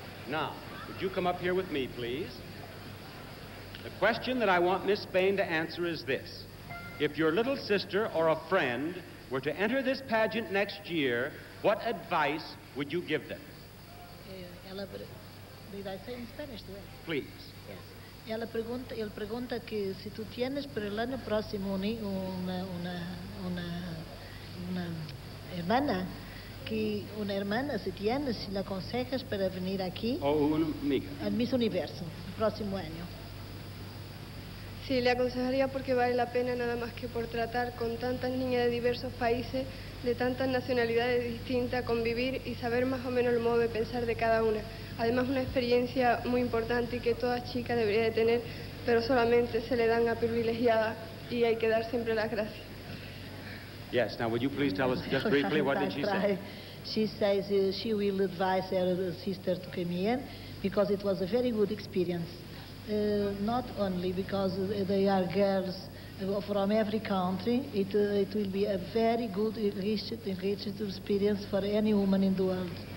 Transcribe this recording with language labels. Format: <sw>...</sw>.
<en>Now, would you come up here with me, please? The question that I want Miss Spain to answer is this. If your little sister or a friend were to enter this pageant next year, what advice would you give them? Ella did I say in Spanish today? Please. Yes.</en> <es>Ella pregunta, él pregunta que si tú tienes para el año próximo una hermana, que una hermana si tienes, si la aconsejas para venir aquí. O una amiga. Al Miss Universo, el próximo año. Sí, le aconsejaría porque vale la pena nada más que por tratar con tantas niñas de diversos países, de tantas nacionalidades distintas, convivir y saber más o menos el modo de pensar de cada una. Además, una experiencia muy importante y que toda chica debería de tener, pero solamente se le dan a privilegiadas y hay que dar siempre las gracias.</es> <en>Yes, now would you please tell us just briefly what did she say? She says she will advise her sister to come in because it was a very good experience. Not only because they are girls from every country, it will be a very good, enriched experience for any woman in the world.</en>